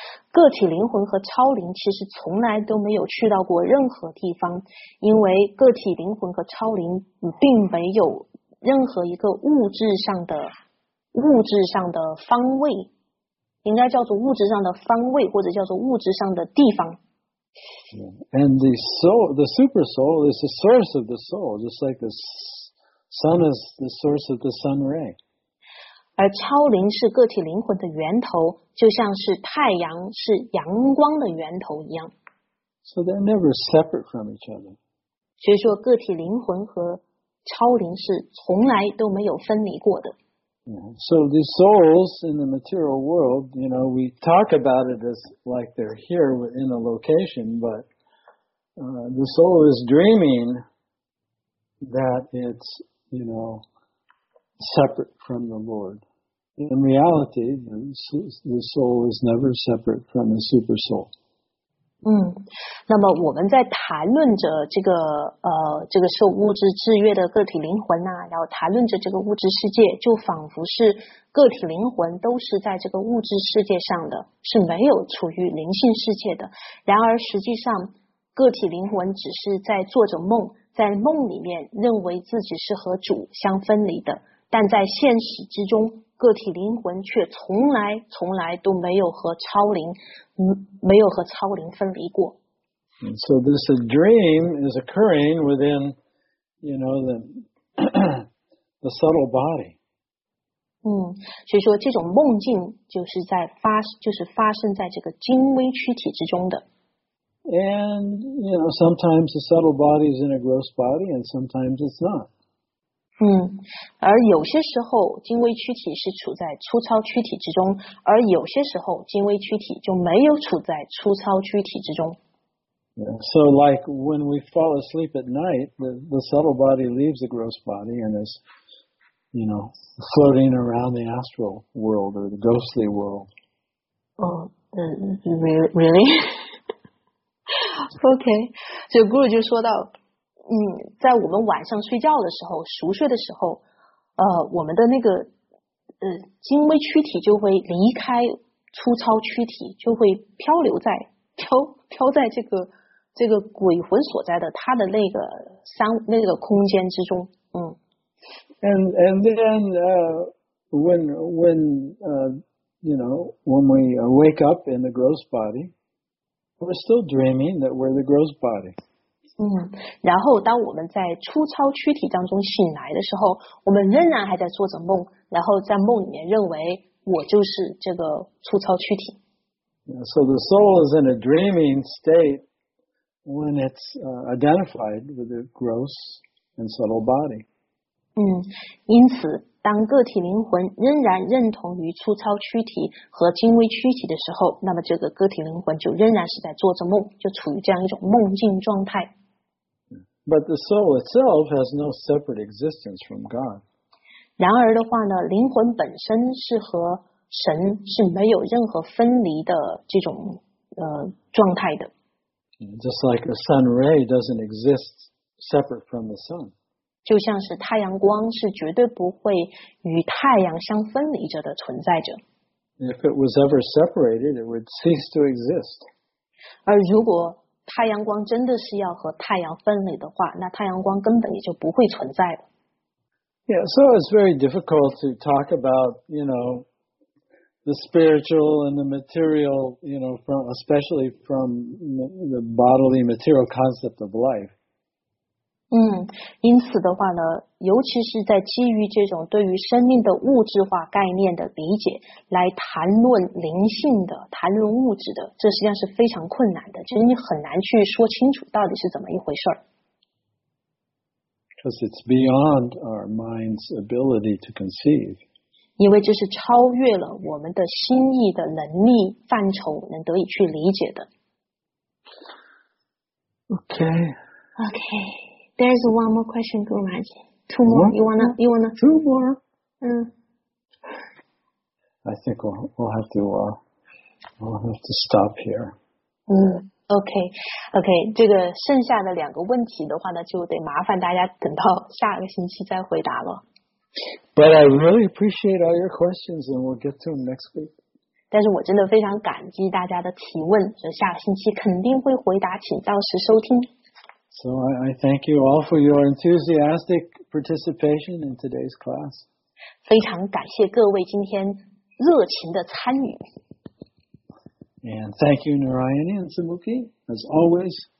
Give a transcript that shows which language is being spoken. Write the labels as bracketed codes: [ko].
[zh] 个体灵魂和超灵其实从来都没有去到过任何地方，因为个体灵魂和超灵并没有任何一个物质上的方位，应该叫做物质上的方位，或者叫做物质上的地方。 [en] Yeah. And the soul, the super soul is the source of the soul, just like a... Sun is the source of the sun ray. [zh] 而超灵是个体灵魂的源头，就像是太阳是阳光的源头一样。 [en] So they're never separate from each other. [zh] 所以说个体灵魂和超灵是从来都没有分离过的。 [en] Yeah. So the souls in the material world, you know, we talk about it as like they're here in a location, but the soul is dreaming. That it's, you know, separate from the Lord. In reality, the soul is never separate from the super soul. [zh] 那么我们在谈论着这个这个受物质制约的个体灵魂呐、然后谈论着这个物质世界，就仿佛是个体灵魂都是在这个物质世界上的，是没有处于灵性世界的。然而实际上，个体灵魂只是在做着梦。在梦里面认为自己是和主相分离的，但在现实之中，个体灵魂却从来都没有和超灵，没有和超灵分离过。 [en] And so this dream is occurring within, you know, the subtle body. [zh] 所以说这种梦境发生在这个精微躯体之中的。 [en] And, you know, sometimes the subtle body is in a gross body and sometimes it's not. [zh] 而有些时候精微躯体是处在粗糙躯体之中，而有些时候精微躯体就没有处在粗糙躯体之中。 [en] Yeah, so like when we fall asleep at night, the subtle body leaves the gross body and is, you know, floating around the astral world or the ghostly world. Really? [zh] OK, 所以 Guru 就说到，在我们晚上睡觉的时候，熟睡的时候，我们的那个精微躯体就会离开粗糙躯体，就会飘在这个鬼魂所在的他的那个空间之中， [en] And then when you know, when we wake up in the gross body, we're still dreaming that we're the gross body. [zh] 嗯，然后当我们在粗糙躯体当中醒来的时候，我们仍然还在做着梦，然后在梦里面认为我就是这个粗糙躯体。 [en] So the soul is in a dreaming state when it's identified with the gross and subtle body. [zh] 嗯，因此当个体灵魂仍然认同于粗糙躯体和精微躯体的时候，那么这个个体灵魂就仍然是在做着梦，就处于这样一种梦境状态。 [en] But the soul itself has no separate existence from God. [zh] 然而的话呢，灵魂本身是和神是没有任何分离的这种状态的。 [en] Just like a sun ray doesn't exist separate from the sun. [zh] 就像是太阳光是绝对不会与太阳相分离着的存在着。 [en] If it was ever separated, it would cease to exist. [zh] 而如果太阳光真的是要和太阳分离的话，那太阳光根本也就不会存在了。 [en] Yeah, so it's very difficult to talk about, you know, the spiritual and the material, you know, from, especially from the bodily material concept of life. [zh] 嗯，因此的话呢，尤其是在基于这种对于生命的物质化概念的理解，来谈论灵性的，谈论物质的，这实际上是非常困难的，就是你很难去说清楚到底是怎么一回事。 [en] Because it's beyond our mind's ability to conceive. [zh] 因为这是超越了我们的心意的能力范畴能得以去理解的。 [en] Okay. Okay. There's one more question, Guru Maharaj. Two more. You wanna? Two more. 嗯。 I think we'll have to stop here. [zh] 嗯 ，OK，OK， 这个剩下的两个问题的话呢，就得麻烦大家等到下个星期再回答了。 [en] But I really appreciate all your questions, and we'll get to them next week. [zh] 但是我真的非常感激大家的提问，所以下个星期肯定会回答，请到时收听。 [en] So I thank you all for your enthusiastic participation in today's class. [zh] 非常感谢各位今天热情的参与。 [en] And thank you, Narayani and Sumukhi, as always.